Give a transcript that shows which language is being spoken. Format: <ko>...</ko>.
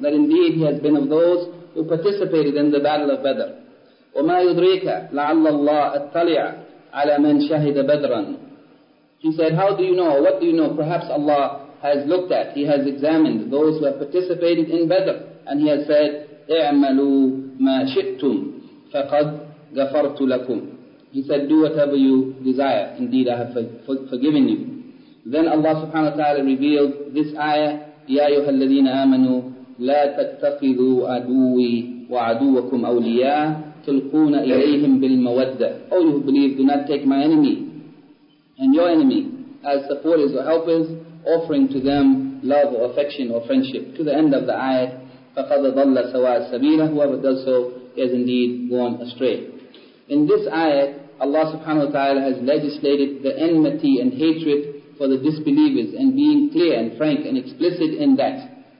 <en>That indeed he has been of those who participated in the Battle of Badr.</en> <ar>وَمَا يُدْرِيكَ لَعَلَّ اللَّهَ اتَّلِعَ عَلَى مَنْ شَهِدَ بَدْرًا.</ar> <en>He said, how do you know, what do you know? Perhaps Allah has looked at, he has examined those who have participated in Badr. And he has said,</en> <ar>اعملوا ما شئتم فقد غفرت لكم.</ar> <en>He said, do whatever you desire. Indeed, I have forgiven you. Then Allah subhanahu wa ta'ala revealed this ayah,</en> <ar>يا أيها الذين آمنوا لا تتخذوا عدوي وعدوكم أولياء تلقون إليهم بالمودة.</ar> <en>All you who believe, do not take my enemy and your enemy as supporters or helpers, offering to them love or affection or friendship. To the end of the ayat,</en> <ar>فَقَدَ ضَلَّ سَوَاءَ السَّبِيلَ.</ar> <en>Whoever does so, he has indeed gone astray. In this ayat, Allah subhanahu wa ta'ala has legislated the enmity and hatred for the disbelievers, and being clear and frank and explicit in that.</en>